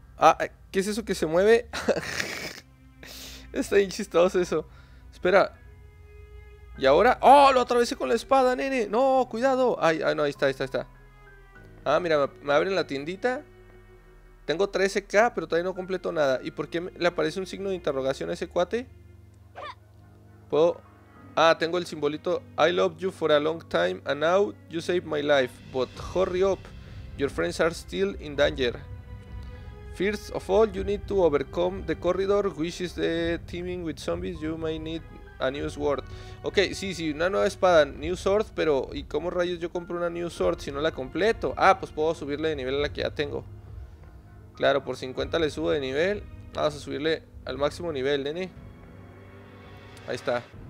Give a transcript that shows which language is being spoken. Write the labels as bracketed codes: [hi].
[es] Ah, ¿qué es eso que se mueve? Está bien chistoso eso. Espera. Y ahora... ¡Oh! Lo atravesé con la espada, nene. ¡No! ¡Cuidado! ¡Ay! ¡Ah, no! Ahí está. Ah, mira, me abren la tiendita. Tengo 13K, pero todavía no completo nada. ¿Y por qué le aparece un signo de interrogación a ese cuate? ¿Puedo...? Ah, tengo el simbolito. [en] I loved you for a long time, and now you saved my life. But hurry up. Your friends are still in danger. First of all, you need to overcome the corridor, which is the teeming with zombies. You may need... A new sword. [es] Ok, sí, una nueva espada. [en] New sword, [es] pero ¿y cómo rayos yo compro una new sword si no la completo? Ah, pues puedo subirle de nivel a la que ya tengo. Claro, por 50 le subo de nivel. Vamos a subirle al máximo nivel, nene. Ahí está.